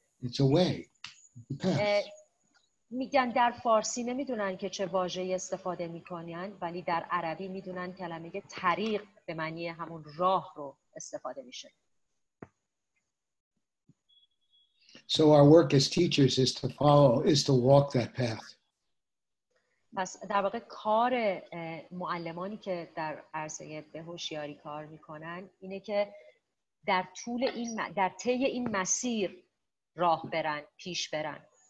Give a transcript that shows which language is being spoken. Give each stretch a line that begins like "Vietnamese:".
English: It's a way. A path.
Persian: میگن در فارسی نمیدونن که چه واژه‌ای استفاده میکنن ولی در عربی میدونن کلمه طریق به معنی همون راه رو استفاده میشه.
English: So our work as teachers is to follow, is to walk that path.
Persian: پس در واقع کار معلمانی که در عرصه بهوشیاری کار میکنن اینه که در طول این در طی این مسیر راه برن، پیش برن.